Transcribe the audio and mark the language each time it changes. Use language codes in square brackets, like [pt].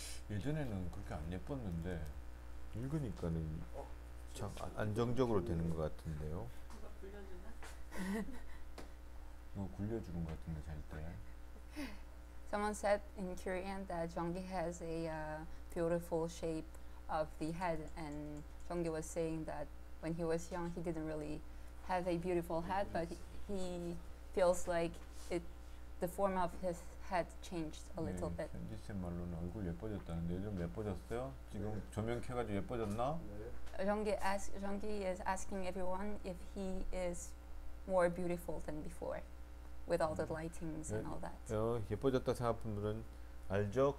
[ko] 예전에는 그렇게 안 예뻤는데 읽으니까는 참 안정적으로 되는 것 같은데요. 누가 굴려주나? 누가 굴려주는 것 같은데 잘 때. [en] Someone said in Korean that Jeonggi has a beautiful shape of the head, and Jeonggi was saying that when he was young, he didn't really have a beautiful head, but he feels like it, the form of his head changed a little bit. [ko] 현지쌤 말로는 얼굴 예뻐졌다는데 좀 예뻐졌어요? 지금 조명 켜가지고 예뻐졌나? [en] Jeonggi is asking everyone if he is more beautiful than before. With all the lightings and all that. [ko] 어, 예뻐졌다 생각하는 분은 알죠?